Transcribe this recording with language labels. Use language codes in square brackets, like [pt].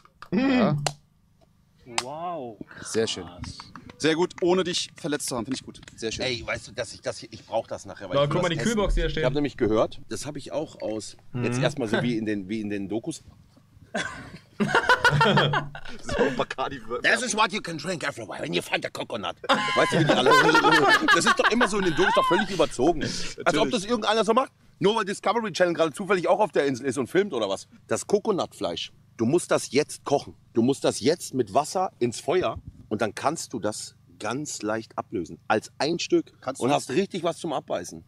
[de] Mhm. Ja. Wow. Krass. Sehr schön. Sehr gut, ohne dich verletzt zu haben, finde ich gut. Sehr schön. Ey, weißt du, dass ich das hier, ich brauche das nachher. Weil na, ich guck mal, die Kühlbox, die da steht. Ich habe nämlich gehört, das habe ich auch aus, jetzt erstmal so wie in den Dokus. So ein Bacardi-Würfel. [en] This is what you can drink everywhere, when you find a coconut. [de] Weißt du, wie die alle das ist doch immer so in den Dokus, doch völlig überzogen. Als ob das irgendeiner so macht, nur weil Discovery Channel gerade zufällig auch auf der Insel ist und filmt oder was. Das Coconutfleisch, du musst das jetzt kochen. Du musst das jetzt mit Wasser ins Feuer. Und dann kannst du das ganz leicht ablösen. Als ein Stück kannst du und hast richtig was zum Abbeißen.